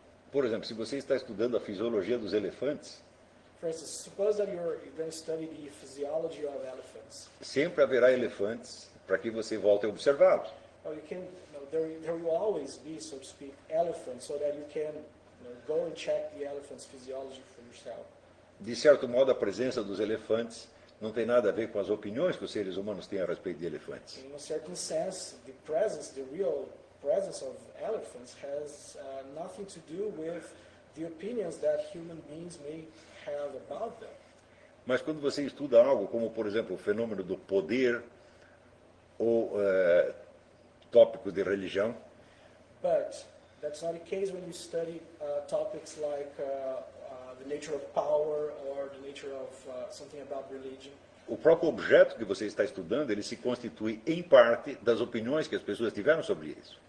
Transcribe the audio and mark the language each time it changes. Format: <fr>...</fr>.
<pt>Por exemplo, se você está estudando a fisiologia dos elefantes,</pt> <en>for instance, suppose that you're going to study the physiology of elephants.</en> <pt>Sempre haverá elefantes para que você volte a observá-los.</pt> <en>Oh, you can, there will always be, so to speak, elephants so that you can go and check the elephant's physiology for yourself.</en> <pt>De certo modo, a presença dos elefantes não tem nada a ver com as opiniões que os seres humanos têm a respeito de elefantes.</pt> <en>In a certain sense, the presence, the real presence of elephants has nothing to do with the opinions that human beings may have about them.</en> <pt>Mas quando você estuda algo como, por exemplo, o fenômeno do poder ou tópicos de religião,</pt> <en>but that's not the case when you study topics like the nature of power or the nature of something about religion.</en> <pt>O próprio objeto que você está estudando, ele se constitui em parte das opiniões que as pessoas tiveram sobre isso.</pt>